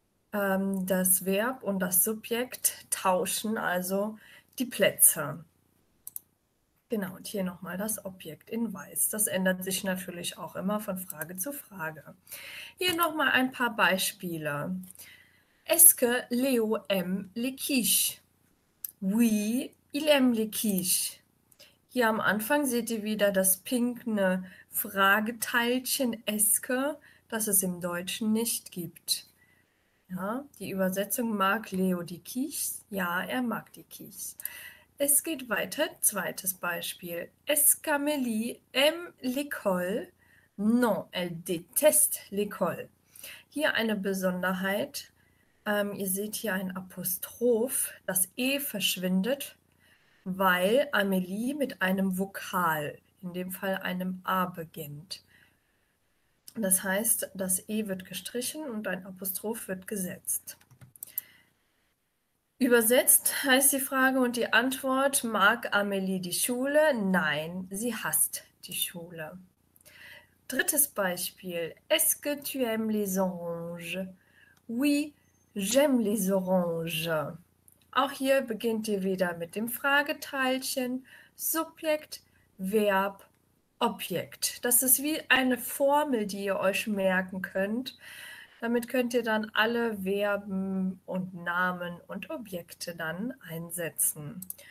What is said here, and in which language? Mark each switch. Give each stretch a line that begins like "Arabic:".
German: Das Verb und das Subjekt tauschen also die Plätze. Genau, und hier nochmal das Objekt in Weiß. Das ändert sich natürlich auch immer von Frage zu Frage. Hier nochmal ein paar Beispiele.
French: Est-ce que Léo aime les quiches? Oui. Il aime les quiches.
German: Hier am Anfang seht ihr wieder das pinkne Frageteilchen Eske, das es im Deutschen nicht gibt. Ja, die Übersetzung: Mag Leo die Quiches? Ja, er mag die Quiches. Es geht weiter. Zweites Beispiel.
French: Est-ce qu'Amélie aime l'école? Non, elle déteste l'école.
German: Hier eine Besonderheit. Ihr seht hier ein Apostroph, das E verschwindet, weil Amelie mit einem Vokal, in dem Fall einem A, beginnt. Das heißt, das E wird gestrichen und ein Apostroph wird gesetzt. Übersetzt heißt die Frage und die Antwort: Mag Amelie die Schule? Nein, sie hasst die Schule. Drittes Beispiel:
French: Est-ce que tu aimes les oranges? Oui, j'aime les oranges.
German: Auch hier beginnt ihr wieder mit dem Frageteilchen, Subjekt, Verb, Objekt. Das ist wie eine Formel, die ihr euch merken könnt. Damit könnt ihr dann alle Verben und Namen und Objekte dann einsetzen.